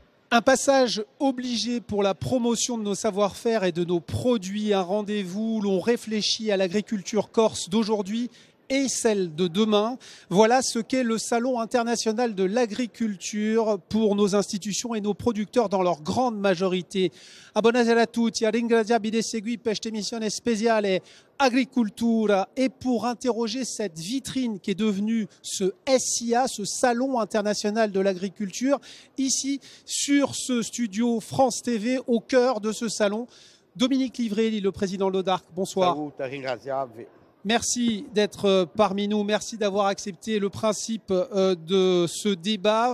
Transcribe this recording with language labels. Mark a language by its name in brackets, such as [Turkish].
[French] Un passage obligé pour la promotion de nos savoir-faire et de nos produits, un rendez-vous où l'on réfléchit à l'agriculture corse d'aujourd'hui et celle de demain. Voilà ce qu'est le Salon international de l'agriculture pour nos institutions et nos producteurs dans leur grande majorité. [Corsican] A buona sera a tutti, a ringraziarvi di seguire questa emissione speciale Agricultura. [French] Et pour interroger cette vitrine qui est devenue ce SIA, ce Salon international de l'agriculture, ici sur ce studio France TV, au cœur de ce salon, Dominique Livrelli, le président de l'ODARC. Bonsoir. [Corsican] Salut, a ringraziarvi. [French] Merci d'être parmi nous, merci d'avoir accepté le principe de ce débat.